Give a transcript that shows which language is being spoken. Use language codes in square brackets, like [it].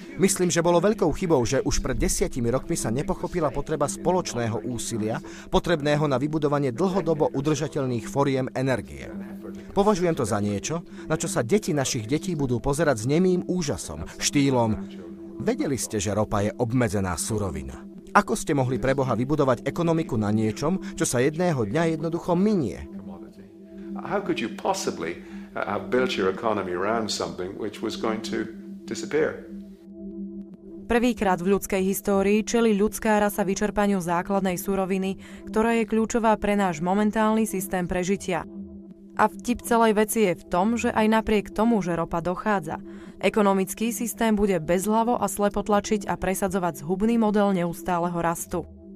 [sk] Myslím, že bolo veľkou chybou, že už pred 10 rokmi sa nepochopila potreba spoločného úsilia, potrebného na vybudovanie dlhodobo udržateľných foriem energie. Považujem to za niečo, na čo sa deti našich detí budú pozerať s nemým úžasom, štýlom. Vedeli ste, že ropa je obmedzená surovina. Ako ste mohli pre Boha vybudovať ekonomiku na niečom, čo sa jedného dňa jednoducho minie? [en] How could you possibly have built your economy around something which was going to disappear? [sk] Prvýkrát v ľudskej histórii čelí ľudská rasa vyčerpaniu základnej suroviny, ktorá je kľúčová pre náš momentálny systém prežitia. A vtip celej veci je v tom, že aj napriek tomu, že ropa dochádza, ekonomický systém bude bezhlavo a slepo tlačiť a presadzovať zhubný model neustáleho rastu.